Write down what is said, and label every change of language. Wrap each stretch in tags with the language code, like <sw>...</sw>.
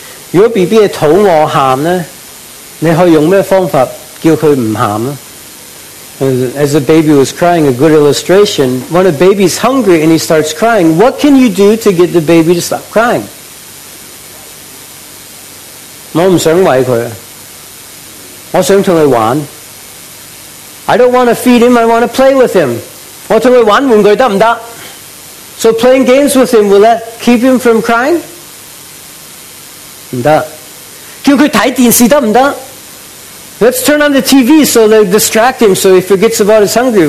<zh>如果BB的肚子餓哭呢, 你可以用什麼方法叫他不哭呢?</zh> <en>As a baby was crying, a good illustration, when a baby's hungry and he starts crying, what can you do to get the baby to stop crying?</en> <zh>我不想餵他。我想跟他玩。</zh> <en>I don't want to feed him, I want to play with him.</en> <zh>我跟他玩玩具行不行?</zh> <en>So playing games with him, will that keep him from crying?</en> <zh>不行。叫他看电视行不行?</zh> <en>Let's turn on the TV so they distract him so he forgets about his hunger.</en>